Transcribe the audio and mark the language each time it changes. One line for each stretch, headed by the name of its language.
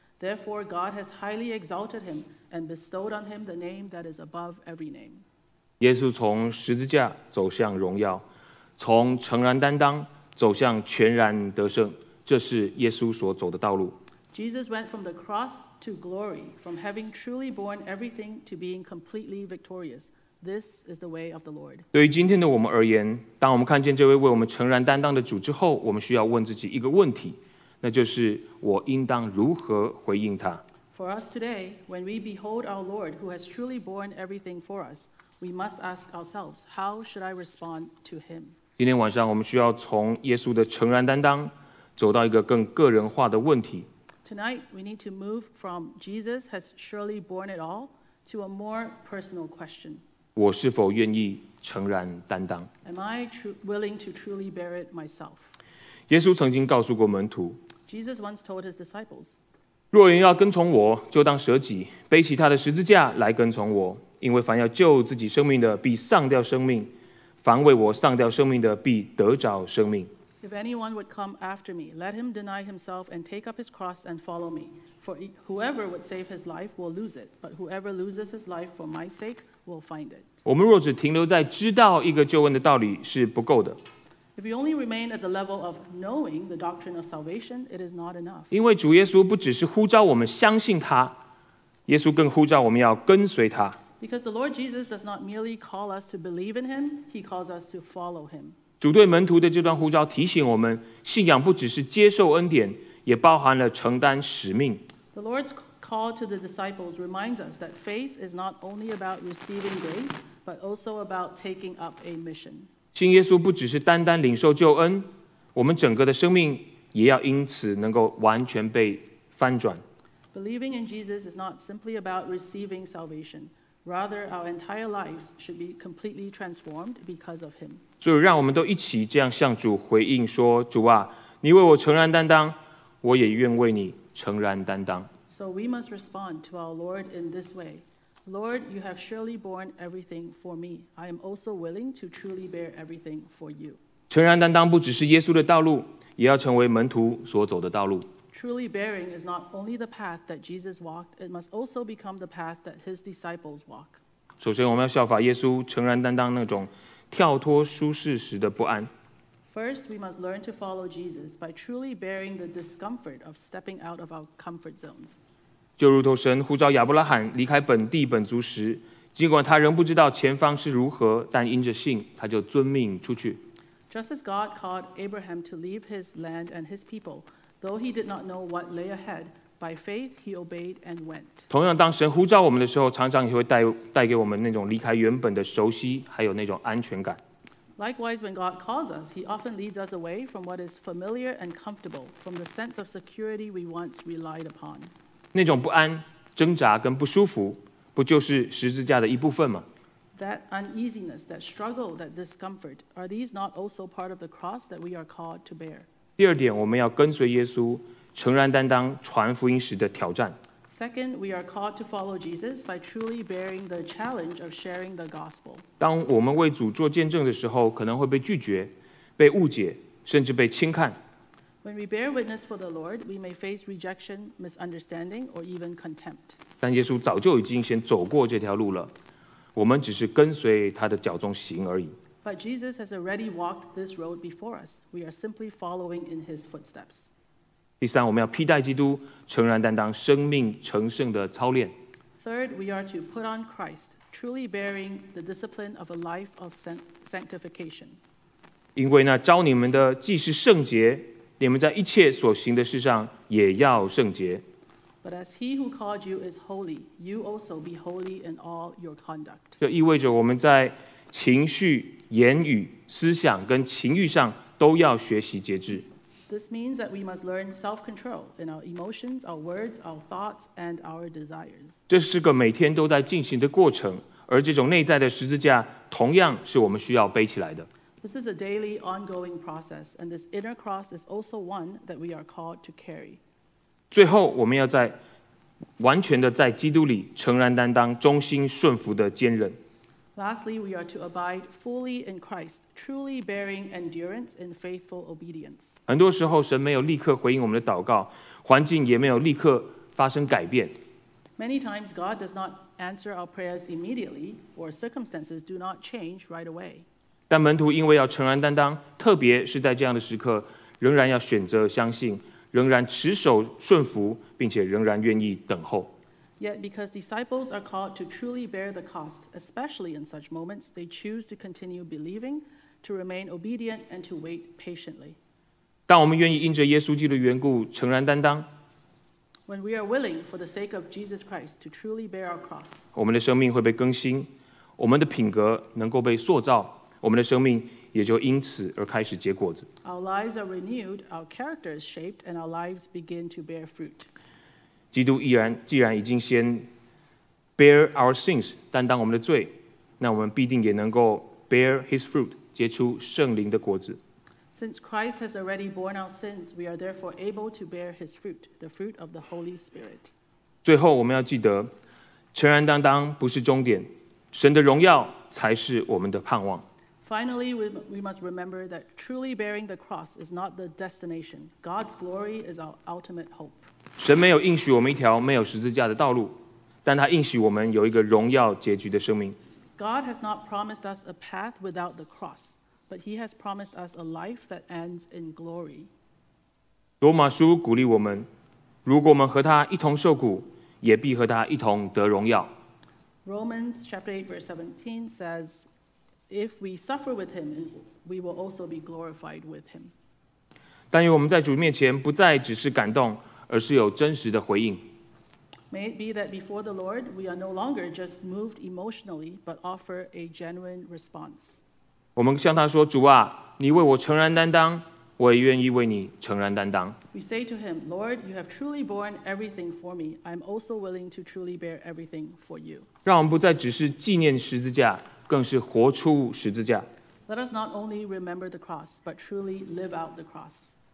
English: Therefore, God has highly exalted him and bestowed on him the name that is above every name.
Chinese: 耶稣从十字架走向荣耀，从诚然担当走向全然得胜，这是耶稣所走的道路。
English: Jesus went from the cross to glory, from having truly borne everything to being completely victorious. This is the way of the Lord.
Chinese: 对于今天的我们而言，当我们看见这位为我们诚然担当的主之后，我们需要问自己一个问题，那就是我应当如何回应他。
English: For us today, when we behold our Lord who has truly borne everything for us,We must ask ourselves, how should I respond to him?
Chinese: 今天晚上我们需要从耶稣的诚然担当走到一个更个人化的问题。
English: Tonight, we need to move from Jesus has surely borne it all to a more personal question.
Chinese: 我是否愿意诚然担当？
English: Am I willing to truly bear it myself?
Chinese: 耶稣曾经告诉过门徒，
English: Jesus once told his disciples,
Chinese: 若人要跟从我，就当舍己，背起他的十字架来跟从我。因为凡要救自己生命的必丧掉生命，凡为我丧掉生命的必得着生命。
English: If anyone would come after me, let him deny himself and take up his cross and follow me. For whoever would save his life will lose it, but whoever loses his life for my sake will find it.
Chinese: 我们若只停留在知道一个救恩的道理是不够的。
English: If you only remain at the level of knowing the doctrine of salvation, it is not enough.
Chinese: 因为主耶稣不只是呼召我们相信他，耶稣更呼召我们要跟随他。
English: Because the Lord Jesus does not merely call us to believe in him, he calls us to follow him.
Chinese: 主对门徒的这段呼召提醒我们，信仰不只是接受恩典，也包含了承担使命。
English: The Lord's call to the disciples reminds us that faith is not only about receiving grace, but also about taking up a mission.
Chinese: 信耶稣不只是单单领受救恩，我们整个的生命也要因此能够完全被翻转。
English: Believing in Jesus is not simply about receiving salvation. Rather, our entire lives should be completely transformed because of him.
Chinese: 主，让我们都一起这样向主回应说，主啊，你为我诚然担当，我也愿为你诚然担当。
English: So we must respond to our Lord in this way. Lord, you have surely borne everything for me. I am also willing to truly bear everything for you.
Chinese: 诚然担当不只是耶稣的道路，也要成为门徒所走的道路。
English: Truly bearing is not only the path that Jesus walked, it must also become the path that his disciples walk.
Chinese: 首先我们要效法耶稣诚然担当那种跳脱舒适时的不安。
English: First, we must learn to follow Jesus by truly bearing the discomfort of stepping out of our comfort zones.
Chinese: 就如同神呼召亚伯拉罕离开本地本族时，尽管他仍不知道前方是如何，但因着信，他就遵命出去。
English: Just as God called Abraham to leave his land and his people, though he did not know what lay ahead, by faith he obeyed and went.
Chinese: 同样，当神呼召我们的时候，常常也会带给我们那种离开原本的熟悉，还有那种安全感。
English: Likewise, when God calls us, he often leads us away from what is familiar and comfortable, from the sense of security we once relied upon.
Chinese: 那种不安、挣扎跟不舒服，不就是十字架的一部分吗？
English: That uneasiness, that struggle, that discomfort, are these not also part of the cross that we are called to bear?
Chinese: 第二点，我们要跟随耶稣，诚然担当传福音时的挑战。
English: Second, we are called to follow Jesus by truly bearing the challenge of sharing the gospel.
Chinese: 当我们为主做见证的时候，可能会被拒绝、被误解，甚至被轻看。
English: When we bear witness for the Lord, we may face rejection, misunderstanding, or even contempt.
Chinese: 但耶稣早就已经先走过这条路了。我们只是跟随他的脚中行而已。
English: But Jesus has already walked this road before us. We are simply following in his footsteps.
Chinese: 第三，我们要披戴基督，诚然担当生命成圣的操练。
English: Third, we are to put on Christ, truly bearing the discipline of a life of sanctification.
Chinese: 因为那召你们的既是圣洁，你们在一切所行的事上也要圣洁。
English: But as he who called you is holy, you also be holy in all your conduct.
Chinese: 这意味着我们在情绪、言语、思想跟情欲上都要学习节制。
English: This means that we must learn self-control in our emotions, our words, our thoughts, and our desires.
Chinese: 这是个每天都在进行的过程，而这种内在的十字架同样是我们需要背起来的。
English: This is a daily ongoing process, and this inner cross is also one that we are called to carry.
Chinese: 最后，我们要在完全的在基督里诚然担当忠心顺服的坚韧。
English: Lastly, we are to abide fully in Christ, truly bearing endurance in faithful obedience.
Chinese: 很多时候神没有立刻回应我们的祷告，环境也没有立刻发生改变。
English: Many times God does not answer our prayers immediately, or circumstances do not change right away.
Chinese: 但门徒因为要诚然担当，特别是在这样的时刻，仍然要选择相信，仍然持守顺服，并且仍然愿意等候。
English: Yet because disciples are called to truly bear the cost, especially in such moments, they choose to continue believing, to remain obedient, and to wait patiently.
Chinese: 当我们愿意因着耶稣基督的缘故诚然担当，
English: when we are willing for the sake of Jesus Christ to truly bear our cross,
Chinese: 我们的生命会被更新，我们的品格能够被塑造，我们的生命也就因此而开始结果子。
English: Our lives are renewed, our character is shaped, and our lives begin to bear fruit.
Chinese: 基督既然已经先
English: bear our sins,
Chinese: 担当我们的罪，那我们必定也能够
English: bear his fruit,
Chinese: 结出圣灵的果子。
English: Since Christ has already borne our sins, we are therefore able to bear his fruit, the fruit of the Holy Spirit.
Chinese: 最后我们要记得，诚然担当不是终点，神的荣耀才是我们的盼望。
English: Finally, we must remember that truly bearing the cross is not the destination. God's glory is our ultimate hope.
Chinese: 神没有应许我们一条没有十字架的道路，但他应许我们有一个荣耀结局的生命。
English: God has not promised us a path without the cross, but he has promised us a life that ends in glory.
Chinese: 罗马书鼓励我们，如果我们和他一同受苦，也必和他一同得荣耀。
English: Romans chapter 8 verse 17 says, If we suffer with him, we will also be glorified with him.
Chinese: 但愿我们在主面前不再只是感动，而是有真实的回应。
English: May it be that before the Lord, we are no longer just moved emotionally, but offer a genuine response.
Chinese: 我们向他说，主啊，你为我诚然担当，我也愿意为你诚然担当。
English: We say to him, Lord, you have truly borne everything for me. I'm also willing to truly bear everything for you.
Chinese: 让我们不再只是纪念十字架，更是活出十字架。
English: Let us not only remember the cross, but truly live out the cross.